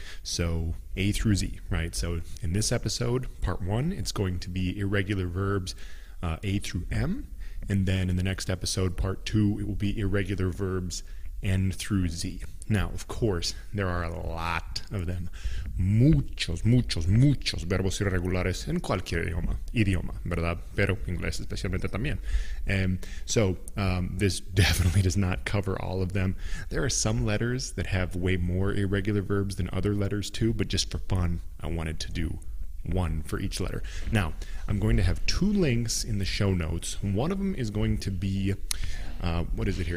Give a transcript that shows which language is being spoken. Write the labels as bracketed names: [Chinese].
[English] So A through Z, right? So in this episode, part one, it's going to be irregular verbs A through M. And then in the next episode, part two, it will be irregular verbs N through Z. Now, of course, there are a lot of them. [Spanish] Muchos, muchos, muchos verbos irregulares en cualquier idioma, ¿verdad? Pero inglés especialmente también. [English] And so, this definitely does not cover all of them. There are some letters that have way more irregular verbs than other letters too, but just for fun, I wanted to do one for each letter. Now, I'm going to have two links in the show notes. One of them is going to be, what is it here?